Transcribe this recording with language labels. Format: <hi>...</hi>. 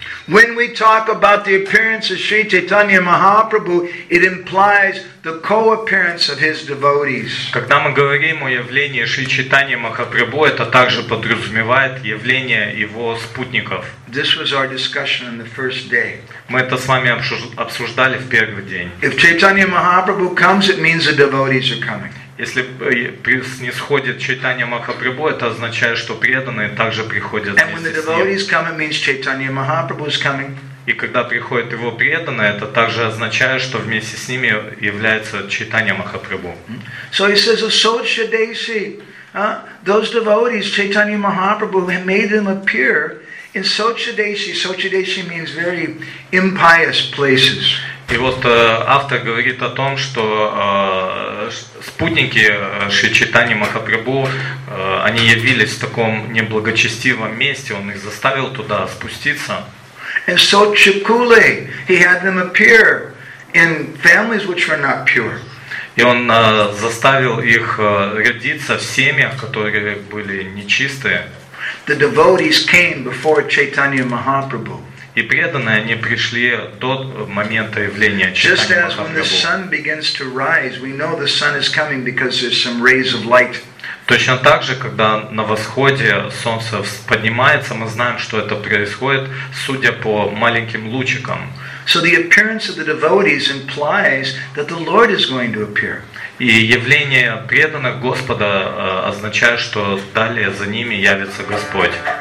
<en>When we talk about the appearance of Sri Chaitanya Mahaprabhu, it implies the co-appearance of his devotees.</en> <ru>Когда мы говорим о явлении Шри Чайтаньи Махапрабху, это также подразумевает явление его спутников.</ru> <en>This was our discussion on the first day.</en> <ru>Мы это с вами обсуждали в первый день.</ru> <en>If Chaitanya Mahaprabhu comes, it means the devotees are coming.</en> <ru>Если снисходит Чайтанья Махапрабху, это означает, что преданные также приходят вместе с ним. И когда приходят его преданные, это также означает, что вместе с ними является Чайтанья Махапрабху.</ru> <en>So he says, Socha Desi, those devotees, Chaitanya Mahaprabhu, have made them appear in Socha Desi. Socha Desi means very impious places.</en> <ru>И вот автор говорит о том, что спутники Шри Чайтаньи Махапрабху, они явились в таком неблагочестивом месте, он их заставил туда спуститься.</ru> <en>And so Chikule, he had them appear in families which were not pure.</en> <ru>И он заставил их родиться в семьях, которые были нечистые.</ru> <en>The devotees came before Chaitanya Mahaprabhu.</en> <ru>И преданные, они пришли до момента явления Чайтанья Махапрабху. Точно так же, когда на восходе солнце поднимается, мы знаем, что это происходит, судя по маленьким лучикам.</ru> <en>So the appearance of the devotees implies that the Lord is going to appear.</en> <ru>И явление преданных Господа означает, что далее за ними явится Господь.</ru>